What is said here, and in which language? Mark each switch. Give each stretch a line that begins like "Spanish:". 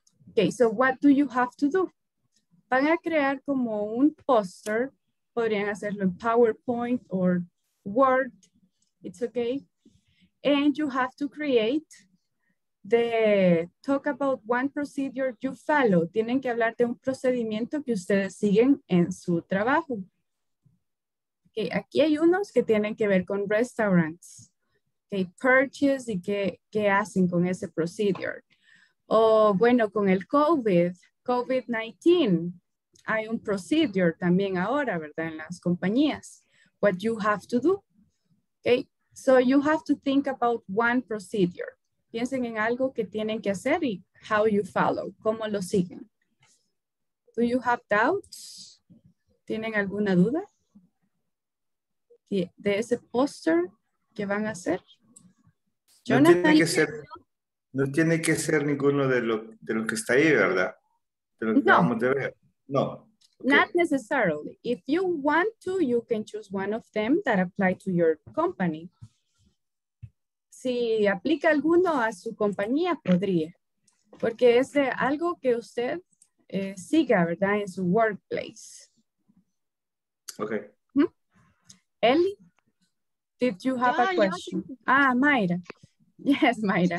English: Okay, so what do you have to do?
Spanish: Van a crear como un poster. Podrían hacerlo
English: in PowerPoint or Word, it's okay. And you have to create the talk about one procedure you follow.
Spanish: Tienen que hablar de un procedimiento que ustedes siguen en su trabajo. Okay, aquí hay unos que tienen que ver con restaurants. Okay, purchase y qué hacen con ese procedure. O bueno, con el COVID-19. Hay un procedure también ahora, ¿verdad? En las compañías.
English: What you have to do. Okay. So you have to think about one procedure.
Spanish: Piensen en algo que tienen que hacer y
English: how you follow.
Spanish: ¿Cómo lo siguen?
English: Do you have doubts?
Spanish: ¿Tienen alguna duda? ¿De ese poster que van a hacer? Jonathan, no tiene que ser ninguno de lo que está ahí, ¿verdad? De lo que vamos a ver. No.
English: Okay. Not necessarily. If you want to, you can choose one of them that apply to your company.
Spanish: si aplica alguno a su compañía, podría. Porque es de algo que usted siga, ¿verdad? En su workplace. Ok.
English: Eli, did you have a question? Ah, Mayra. Yes, Mayra.